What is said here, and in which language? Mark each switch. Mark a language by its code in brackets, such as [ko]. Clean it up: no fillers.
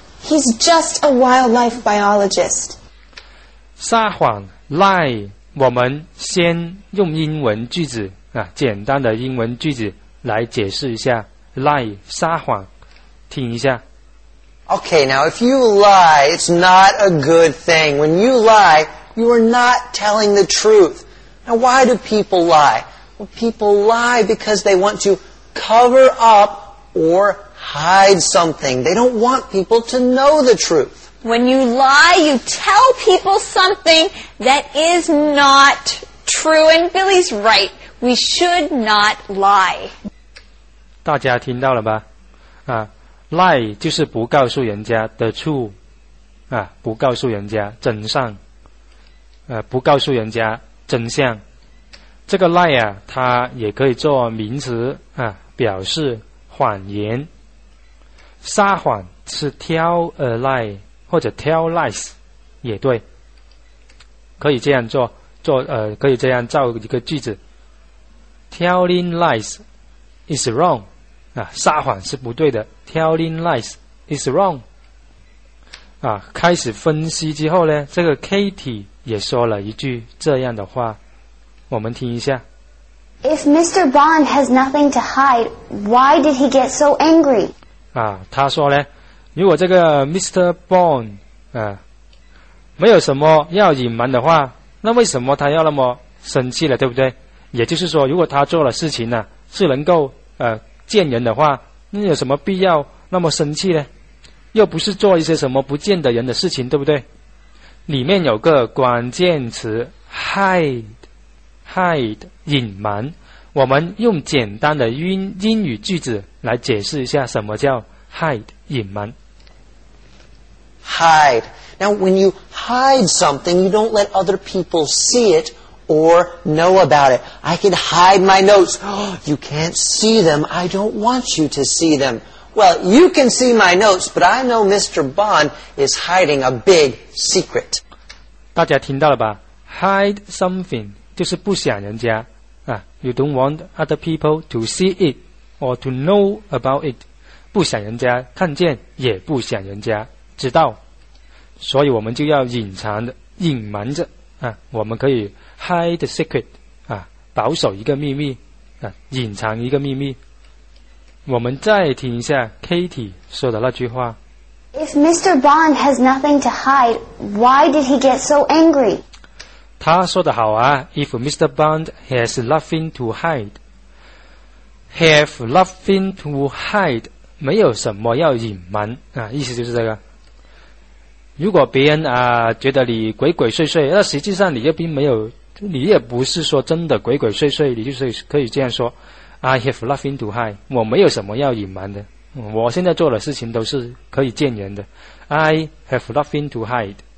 [en] He's just a wildlife biologist. [zh] 撒谎，lie， 我们先用英文句子，简单的英文句子来解释一下。 Lie, 撒谎, 听一下。 [en] Okay, now if you lie, it's not a good thing. When you lie, you are not telling the truth. Now why do people lie? Well, people lie because they want to cover up or hide something. They don't want people to know the truth. When you lie, you tell people something that is not true. And Billy's right. We should not lie. [zh] 大家听到了吧 lie 就是不告诉人家 [en] the truth [zh] 不告诉人家真相 不告诉人家真相 这个lie 它也可以做名词 表示谎言 撒谎是 [en] tell a lie [zh] 或者 [en] tell lies [zh] 也对可以这样造一个句子 [en] telling lies is wrong [zh] 撒谎是不对的 [en] Telling lies is wrong [zh] 开始分析之后 这个Katie也说了一句这样的话 我们听一下 [en] If Mr. Bond has nothing to hide Why did he get so angry? [zh] 他说呢 如果这个Mr. Bond 没有什么要隐瞒的话那为什么他要那么生气了对不对也就是说如果他做了事情是能够见人的话 那有什么必要那么生气呢? 又不是做一些什么不见的人的事情，对不对？里面有个关键词 hide，隐瞒。我们用简单的英语句子来解释一下什么叫 hide，隐瞒。 [en] Hide. Now, when you hide something, you don't let other people see it or know about it. I can hide my notes. You can't see them. I don't want you to see them. Well, you can see my notes, but I know Mr. Bond is hiding a big secret. [zh] 大家听到了吧? [en] Hide something [zh] 就是不想人家。 [en] You don't want other people to see it or to know about it. [zh] 不想人家看见，也不想人家知道。所以我们就要隐藏的，隐瞒着。我们可以 [en] hide a secret, [zh] 保守一个秘密，隐藏一个秘密。我们再听一下 Katie 说的那句话。 [en] If Mr. Bond has nothing to hide, why did he get so angry? [zh] 他说的好啊 , [en] If Mr. Bond has nothing to hide, have nothing to hide, [zh] 没有什么要隐瞒、意思就是这个。如果别人、觉得你鬼鬼祟祟，那实际上你这边没有，你也不是说真的鬼鬼祟祟，你就是可以这样说。 [en] I have nothing to hide. [zh] 我没有什么要隐瞒的。我现在做的事情都是可以见人的。 [en] I have nothing to hide.